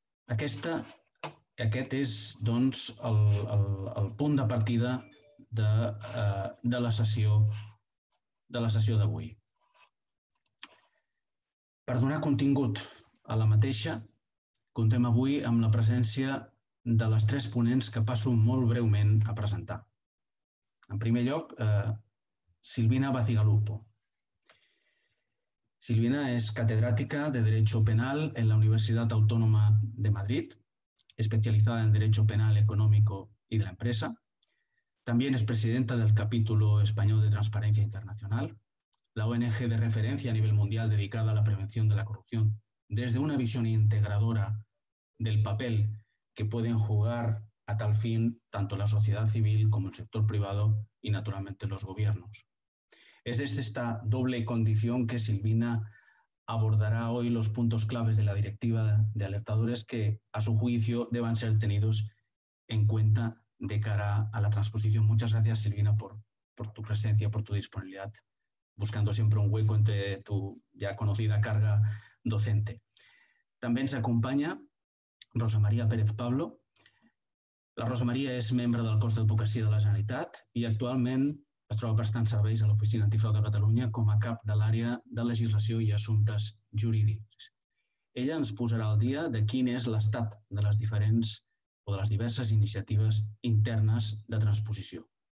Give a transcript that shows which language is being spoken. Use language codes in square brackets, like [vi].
[ca] Aquest és, doncs, el punt de partida de la sessió d'avui. Per donar contingut a la mateixa, comptem avui amb la presència de les tres ponents que passo molt breument a presentar. En primer lloc, Silvina Bacigalupo. Silvina és catedràtica [es] de Derecho Penal en la Universidad Autónoma de Madrid, especializada en Derecho Penal Económico y de la Empresa. También es presidenta del Capítulo Español de Transparencia Internacional, la ONG de referencia a nivel mundial dedicada a la prevención de la corrupción, desde una visión integradora del papel que pueden jugar a tal fin tanto la sociedad civil como el sector privado y, naturalmente, los gobiernos. Es desde esta doble condición que Silvina abordará hoy los puntos claves de la directiva de alertadores que, a su juicio, deban ser tenidos en cuenta de cara a la transposición. Muchas gracias, Silvina, por tu presencia, por tu disponibilidad buscando siempre un hueco entre tu ya conocida carga docente. También se acompaña Rosa María Pérez Pablo. [ca] La Rosa María és membre del cos d'advocacia de la Generalitat i actualment es troba prestant serveis a l'Oficina Antifrau de Catalunya com a cap de l'àrea de legislació i assumptes jurídics. Ella ens posarà al dia de quin és l'estat de les diferents o de les diverses iniciatives internes de transposició.